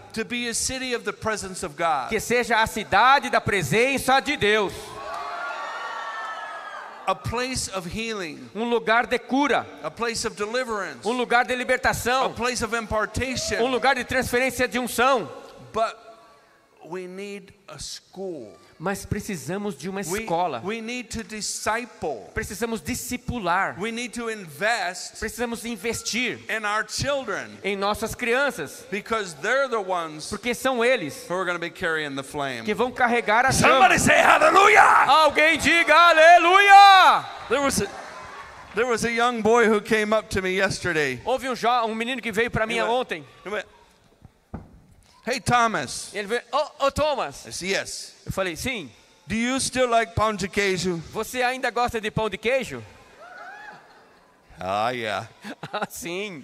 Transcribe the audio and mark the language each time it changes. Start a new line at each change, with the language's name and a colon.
English: to be a city of the presence of God.
Portuguese: Que seja a cidade da presença de Deus.
English: A place of healing,
Portuguese: um lugar de cura.
English: A place of deliverance,
Portuguese: um lugar de libertação.
English: A place of impartation,
Portuguese: um lugar de transferência de unção.
English: But we need a school.
Portuguese: Mas precisamos de uma escola.
English: We need to disciple.
Portuguese: Precisamos discipular.
English: We need to invest.
Portuguese: Precisamos investir
English: in our children.
Portuguese: Em nossas crianças.
English: Because they're the ones.
Portuguese: Porque são eles.
English: Who are going to be carrying the flame.
Portuguese: Que vão carregar a chama.
English: Somebody say hallelujah.
Portuguese: Alguém diga aleluia.
English: There was a young boy who came up to me yesterday.
Portuguese: Houve um menino que veio para mim ontem.
English: Hey Thomas.
Portuguese: Ele veio, oh Thomas.
English: I said, yes.
Portuguese: Eu falei, sim.
English: Do you still like pão de queijo?
Portuguese: Você ainda gosta de pão de queijo?
English: Ah, yeah.
Portuguese: Sim.